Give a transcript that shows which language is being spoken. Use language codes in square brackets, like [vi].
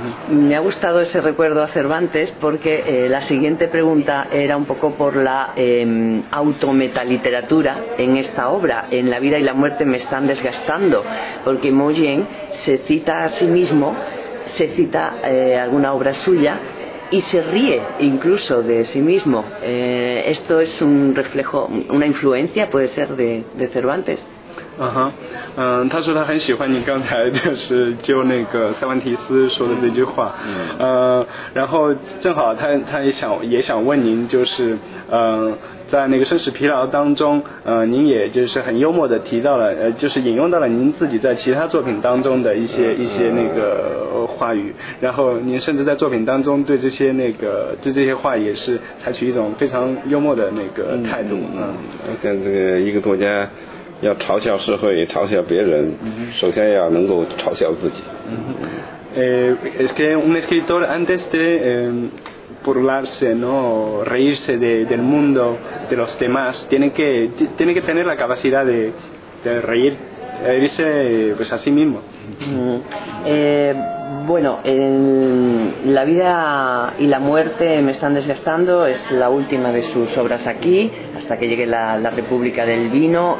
[es] Me ha gustado ese recuerdo a Cervantes porque la siguiente pregunta era un poco por la autometaliteratura en esta obra, en La vida y la muerte me están desgastando, porque Mo Yen se cita a sí mismo, se cita alguna obra suya y se ríe incluso de sí mismo. ¿Esto es un reflejo, una influencia puede ser de Cervantes? [zh] 他说他很喜欢你刚才就是就那个塞万提斯说的这句话。然后正好他也想问您，就是在那个生死疲劳当中，您也就是很幽默的提到了，就是引用到了您自己在其他作品当中的一些那个话语，然后您甚至在作品当中对这些那个对这些话也是采取一种非常幽默的那个态度。像这个一个国家要嘲笑社会，嘲笑别人，首先要能够嘲笑自己。 [es] Es que un escritor antes de burlarse, ¿no? O reírse del mundo, de los demás, tiene que tener la capacidad de reírse pues a sí mismo. Bueno, la vida y la muerte me están desgastando, es la última de sus obras aquí, hasta que llegue la República del Vino.